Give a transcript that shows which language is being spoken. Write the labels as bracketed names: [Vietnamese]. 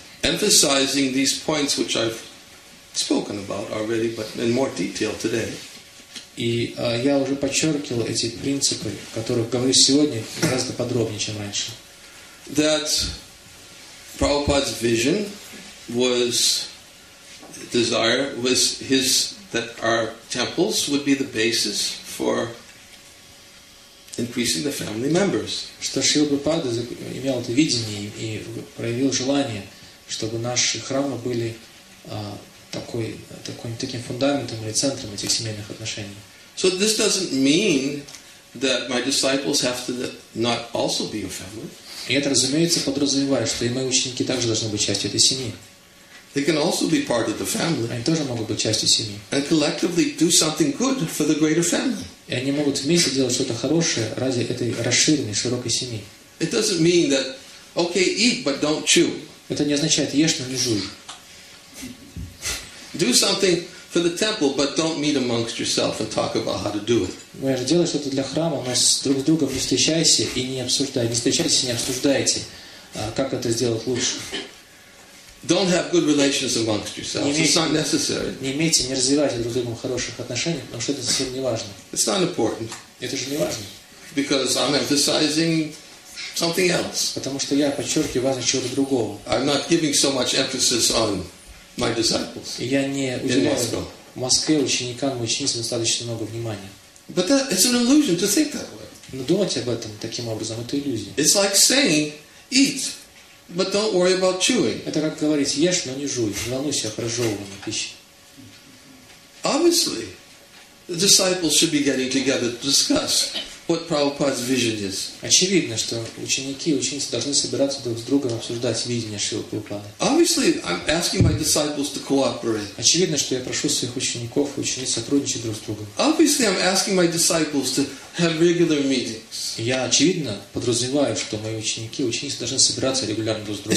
[English] Emphasizing these points which I've spoken about already, but in more detail today. [Russian] И я уже подчеркивал эти принципы, о которых говорю сегодня, гораздо подробнее, чем раньше. [English] That Prabhupada's vision was desire was his that our temples would be the basis for increasing the family members. [Russian] Что Шрила Прабхупада имел это видение и проявил желание, чтобы наши храмы были таким фундаментом или центром этих семейных отношений. [English] So this doesn't mean that my disciples have to not also be a family. [Russian] И это, разумеется, подразумевает, что и мои ученики также должны быть частью этой семьи. [English] They can also be part of the family. [Russian] Они тоже могут быть частью семьи. [English] And collectively do something good for the greater family. [Russian] И они могут вместе делать что-то хорошее ради этой расширенной, широкой семьи. [English] It doesn't mean that, okay, eat, but don't chew. [Russian] Это не означает ешь, но не жуй. [English] Do something for the temple, but don't meet amongst yourself and talk about how to do it. [Russian] Мы же делаем что-то для храма, но друг с другом не встречайся и не обсуждай, не встречайся, не обсуждайте, как это сделать лучше. [English] Don't have good relations amongst yourselves. It's not necessary. [Russian] Не имейте, не развивайте друг с другом хороших отношений, потому что это совсем не важно. [English] It's not important. [Russian] Это же не важно. [English] Because I'm emphasizing something else. [Russian] Потому что я подчеркиваю важность чего-то другого. [English] I'm not giving so much emphasis on my disciples. [Russian] Я не уделяю Москве ученикам, ученицам достаточно много внимания. [English] But that, it's an illusion to think that way. [Russian] Но думать об этом таким образом это иллюзия. [English] It's like saying, eat. But don't worry about chewing. [Russian] Это как говорить, ешь, но не жуй. Не волнуйся о прожеванной пище. [English] Obviously, the disciples should be getting together to discuss what Prabhupada's vision is. [Russian] Очевидно, что ученики и ученицы должны собираться друг с другом обсуждать видение Шрилы Прабхупады. [English] Obviously, I'm asking my disciples to cooperate. [Russian] Очевидно, что я прошу своих учеников и учениц сотрудничать друг с другом. [English] Obviously, I'm asking my disciples to have regular meetings. [Russian] Я очевидно подразумеваю, что мои ученики и ученицы должны собираться регулярно друг с другом.